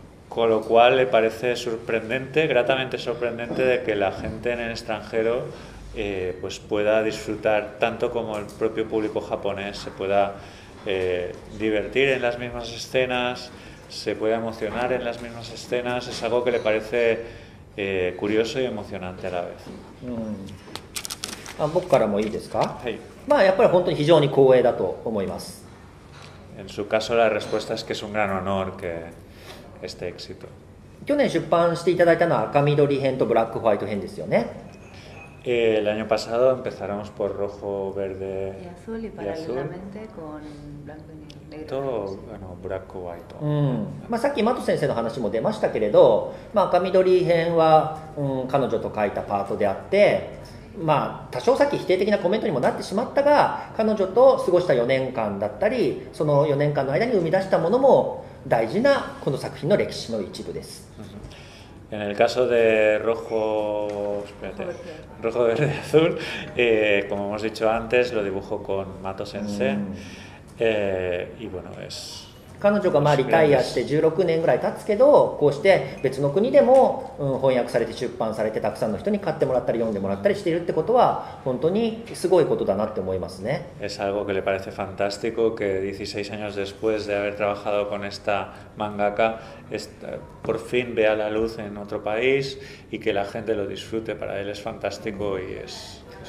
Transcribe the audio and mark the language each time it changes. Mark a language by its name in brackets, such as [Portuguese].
[Spanish] con lo cual le parece sorprendente, gratamente sorprendente, de que la gente en el extranjero pues pueda disfrutar tanto como el propio público japonés, se pueda divertir en las mismas escenas, se puede emocionar en las mismas escenas, es algo que le parece curioso y emocionante a la vez. [Japanese] Mm. 僕からもいいですか？はい。まあやっぱり本当に非常に光栄だと思います。 [Spanish] En su caso la respuesta es que es un gran honor que este éxito. [Japanese] 去年出版していただいたのは赤緑編とブラックホワイト編ですよね。 [Spanish] El año pasado empezáramos por rojo, verde y azul y paralelamente con blanco y negro. [English] Bueno, black and white. [Japanese] まあさっきマト先生の話も出ましたけれど、まあ赤緑編は、彼女と書いたパートであって、まあ多少さっき否定的なコメントにもなってしまったが、彼女と過ごした4年間だったり、その4年間の間に生み出したものも大事なこの作品の歴史の一部です。 [Spanish] En el caso de rojo, espérate, rojo, verde, azul, como hemos dicho antes, lo dibujo con Mato Sensei. Y bueno, es. [Japanese] 彼女がまあリタイアして16年ぐらい経つけど、こうして別の国でも、翻訳されて出版されて、たくさんの人に買ってもらったり読んでもらったりしているってことは本当にすごいことだなって思いますね。 [Spanish] Es algo que le parece fantástico que 16 años después de haber trabajado con esta mangaka, por fin vea la luz en otro país y que la gente lo disfrute. Para él es fantástico y es.